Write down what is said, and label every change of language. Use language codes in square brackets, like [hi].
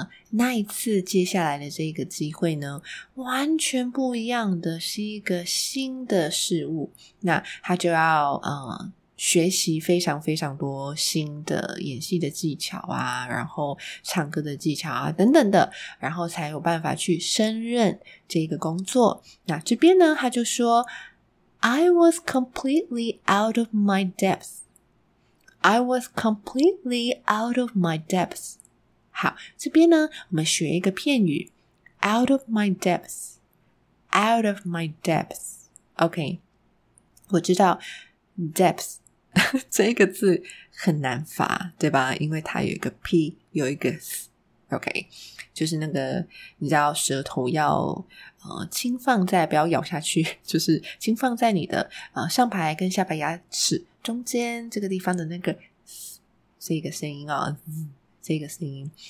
[zh] 那一次接下来的这个机会呢完全不一样的，是一个新的事物，那他就要学习非常非常多新的演戏的技巧啊，然后唱歌的技巧啊等等的，然后才有办法去胜任这个工作。那这边呢他就说 [en] I was completely out of my depth. I was completely out of my depth. [zh] 好，这边呢，我们学一个片语 ， [en] out of my depth. Out of my depth. [zh] OK， 我知道 depth 这个字很难发，对吧？因为它有一个 p， 有一个 s。OK， 就是那个你知道舌头要轻放在，不要咬下去，就是轻放在你的上排跟下排牙齿中间这个地方的那个这个声音这个声音。